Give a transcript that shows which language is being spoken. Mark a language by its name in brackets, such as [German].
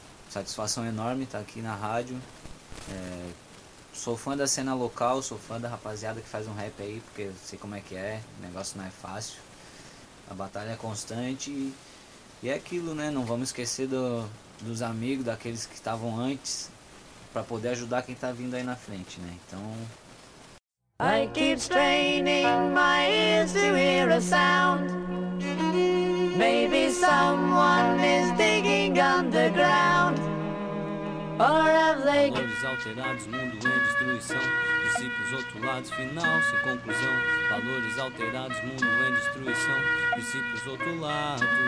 [Portuguese] Satisfação enorme estar aqui na rádio. Sou fã da cena local, sou fã da rapaziada que faz um rap aí, porque eu sei como é que é, o negócio não é fácil. A batalha é constante e é aquilo, né? Não vamos esquecer dos amigos, daqueles que estavam antes, pra poder ajudar quem tá vindo aí na frente, né? Então... [English] I keep straining my ears to hear a sound. Maybe someone is digging underground. Or have they... [Portuguese] Valores alterados, mundo em destruição. Discípulos outro lado, final sem conclusão. Valores alterados, mundo em destruição. Discípulos outro lado.